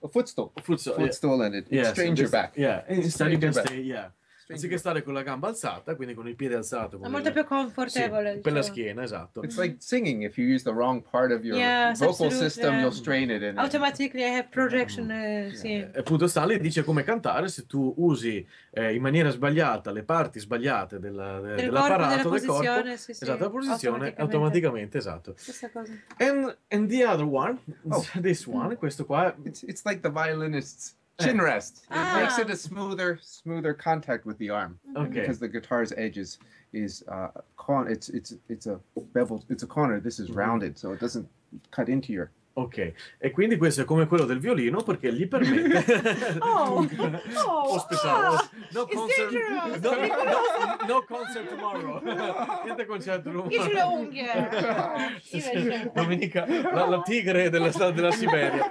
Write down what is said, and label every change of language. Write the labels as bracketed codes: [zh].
[en] A footstool and it, yes, strain your back. Yeah, instead you can stay, yeah. [it] Anziché stare con la gamba alzata, quindi con il piede alzato, è molto più confortevole, sì, per la schiena, esatto. [en] It's like singing, if you use the wrong part of your vocal system, you'll strain it. Automatically I have projection, sì. [it] E appunto Stanley dice come cantare, se tu usi in maniera sbagliata le parti sbagliate dell'apparato, della posizione, del corpo, esatto, la posizione, automaticamente, esatto. Stessa cosa. [en] And the other one, this one, [it] questo qua. [en] It's like the violinist's chin rest. It makes it a smoother contact with the arm. Okay. Because the guitar's edge is a corner. This is rounded, so it doesn't cut into your... [it] Ok, e quindi questo è come quello del violino perché gli permette. [en] No concert [it] tomorrow. Niente concerto. Io ce le unghie. Sì, Domenica, la tigre della Siberia.